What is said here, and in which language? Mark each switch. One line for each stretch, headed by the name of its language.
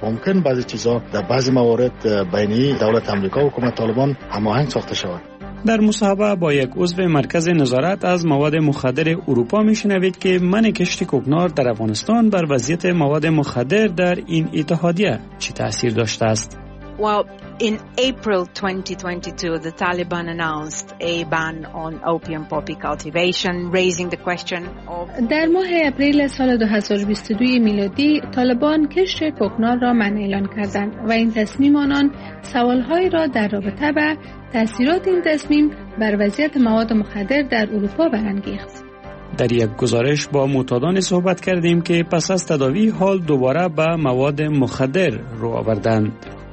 Persian: ممکن بعضی چیزا در بعضی موارد بین دولت آمریکا و حکومت طالبان هماهنگ ساخته شود. در مصاحبه با یک عضو مرکز نظارت از مواد مخدر اروپا میشنوید که من کشتی کوکنار در افغانستان بر وضعیت مواد مخدر در این اتحادیه چی تاثیر داشته است؟
English: In April 2022, the Taliban announced a ban on opium poppy cultivation, raising the question of.
Persian: در ماه اپریل سال 2022 میلادی، طالبان کشت کوکنار را منع اعلان کردند و این تصمیم آنان سوالهای را در رابطه با تأثیرات این تصمیم بر وضعیت مواد مخدر در اروپا برانگیخت. در یک گزارش با معتادان صحبت کردیم که پس از تداوی حال دوباره به مواد مخدر رو آوردند.